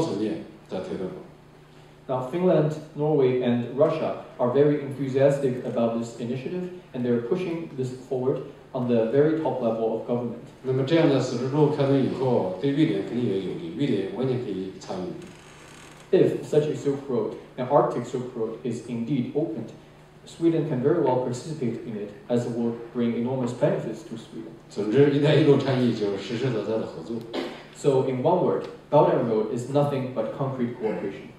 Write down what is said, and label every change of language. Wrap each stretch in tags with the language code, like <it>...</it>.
<zh>芬兰、挪威、俄罗斯都非常积极，在政府最高层面在推动。</zh> <en>Now, Finland, Norway, and Russia are very enthusiastic about this initiative, and they're pushing this forward on the very top level of government.</en> <zh>那么这样的丝绸之路开通以后，对瑞典肯定也有利，瑞典完全可以参与。</zh> <en>If such a Silk Road, an Arctic Silk Road, is indeed opened, Sweden can very well participate in it, as it will bring enormous benefits to Sweden.</en> <zh>总之，一带一路倡议就是实实在在的合作。</zh> <en>So in one word, Belt and Road is nothing but concrete cooperation.</en>